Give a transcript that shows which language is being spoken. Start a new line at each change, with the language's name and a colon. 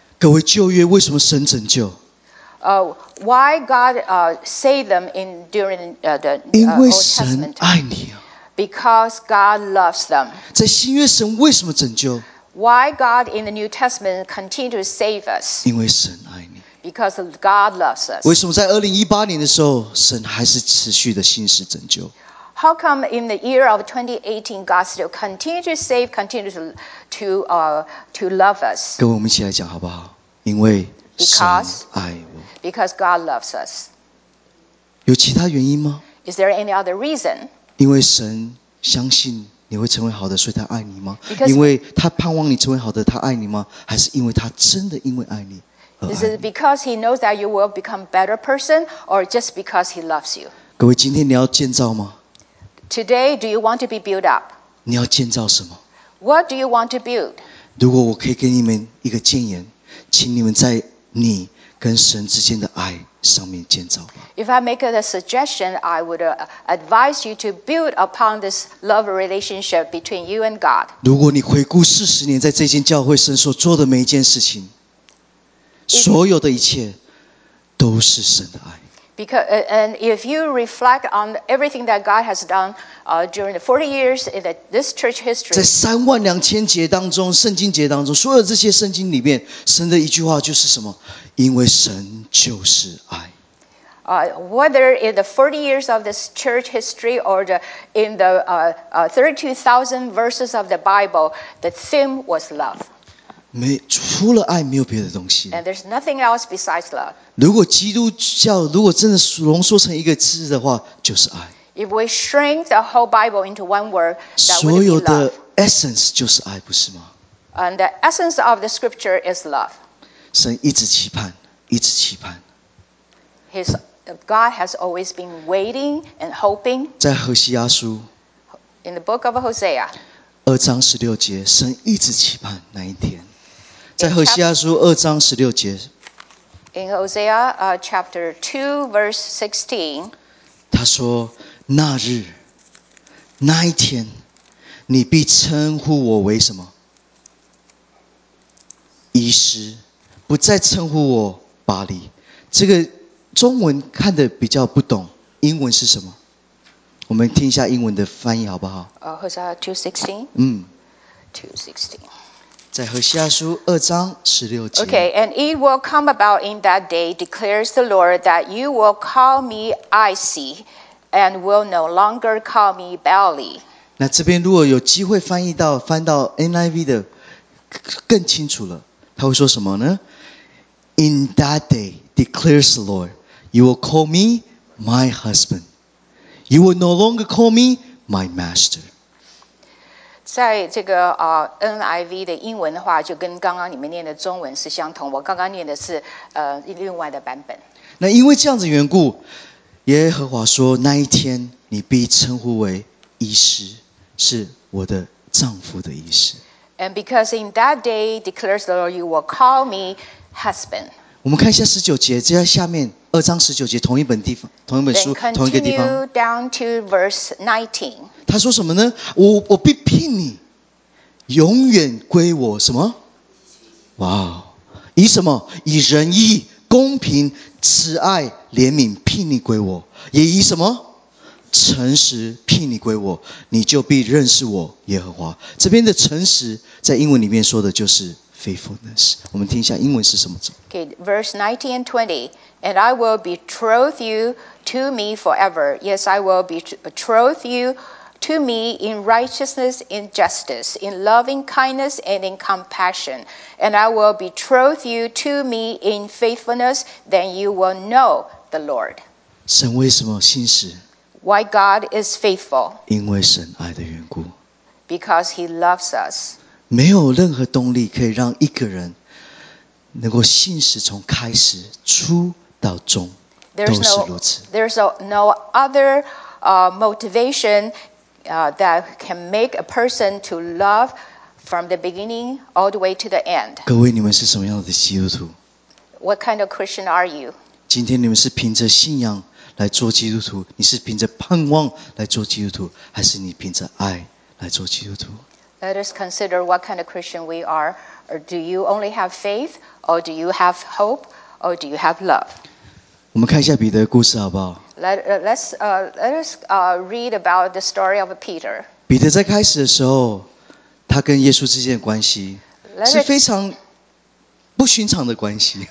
Chinese: 各位旧约为什么神拯救？
English: Why God saved them in during the Old Testament?
Chinese: 因为神爱你啊。
English: Because God loves them.
Chinese: 在新约神为什么拯救？
English: Why God in the New Testament continue to save us?
Chinese: 因为神爱你。
English: Because God loves us.
Chinese: 为什么在2018年的时候，神还是持续的信实拯救？
English: How come in the year of 2018, God still continue to save, continue to love us?
Chinese: 各位，我们一起来讲好不好？因为神爱我。
English: Because God loves us.
Chinese: 有其他原因吗？
English: Is there any other reason?
Chinese: 因为神相信。你会成为好的，所以他爱你吗？Because, 因为他盼望你成为好的，他爱你吗？还是因为他真的因为爱你而爱你？
English: Is it because he knows that you will become a better person, or just because he loves you?
Chinese: 各位，今天你要建造吗？
English: Today, do you want to be built up?
Chinese: 你要建造什么？
English: What do you want to build?
Chinese: 如果我可以给你们一个建言，请你们在你跟神之间的爱上面建造吧。
English: If I make a suggestion, I would advise you to build upon this love relationship between you and God.
Chinese: 如果你回顾四十年在这间教会神所做的每一件事情，所有的一切都是神的爱。
English: Because and if you reflect on everything that God has done during the 40 years in this church history,
Chinese: 在三万两千节当中，圣经节当中，所有这些圣经里面，神的一句话就是什么？因为神就是爱。
English: Whether in the 40 years of this church history or in the 32,000 verses of the Bible, the theme was love.
Chinese: 没除了爱没有别的东西。
English: And there's nothing else besides love.
Chinese: 如果基督教如果真的浓缩成一个字的话，就是爱。
English: If we shrink the whole Bible into one word, that would be love.
Chinese: 所有的 essence 就是爱，不是吗？
English: And the essence of the scripture is love.
Chinese: 神一直期盼，一直期盼。
English: God has always been waiting and hoping.
Chinese: 在何西阿书
English: In the book of Hosea.
Chinese: 二章十六节，神一直期盼那一天。在何西阿书二章十六节。
English: In Hosea chapter 2 verse 16.
Chinese: 他说：“那日，那一天，你必称呼我为什么？医师，不再称呼我巴黎。” 这个。中文看得比较不懂，英文是什么？我们听一下英文的翻译好不好？
English: Hosea 2:16. 2:16.
Chinese: 在何西阿书二章十六节。
English: Okay, and it will come about in that day, declares the Lord, that you will call me Isi, and will no longer call me Baali.
Chinese: 那这边如果有机会翻译到翻到 NIV 的更清楚了，他会说什么呢 ？
English: In that day, declares the Lord. You will call me my husband. You will no longer call me my master.
Chinese: 在这个NIV 的英文的话，就跟刚刚你们念的中文是相同。我刚刚念的是另外的版本。那因为这样子缘故，耶和华说，那一天你必称呼为医师，是我的丈夫的医师。
English: And because in that day declares the Lord, you will call me husband.
Chinese: 我们看一下十九节，接下来下面二章十九节，同一本地方，同一本书，同一个地方。
English: Continue down to verse 19.
Chinese: 他说什么呢？我必聘你，永远归我什么？哇、wow. ！ 以什么？以仁义、公平、慈爱、怜悯聘你归我，也以什么？诚实聘你归我，你就必认识我耶和华。这边的诚实在英文里面说的就是 faithfulness。我们听一下英文是什么字。
English: Okay, verse 19 and 20. And I will betroth you to me forever. Yes, I will betroth you to me in righteousness, in justice, in loving kindness and in compassion. And I will betroth you to me in faithfulness. Then you will know the Lord.
Chinese: 神为什么信实？
English: Why God is faithful?
Chinese: 因为神爱的缘故。
English: Because He loves us.
Chinese: 没有任何动力可以让一个人能够信实从开始出到终都是如此。
English: There's no other motivation that can make a person to love from the beginning all the way to the end.
Chinese: 各位，你们是什么样的基督徒？
English: What kind of Christian are you?
Chinese: 今天你们是凭着信仰来做基督徒，你是凭着盼望来做基督徒，还是你凭着爱来做基督徒？
English: Let us consider what kind of Christian we are. Or do you only have faith, or do you have hope, or do you have love?
Chinese: 我们看一下彼得的故事好不好？
English: Let us read about the story of Peter.
Chinese: 彼得在开始的时候，他跟耶稣之间的关系是非常不寻常的关系。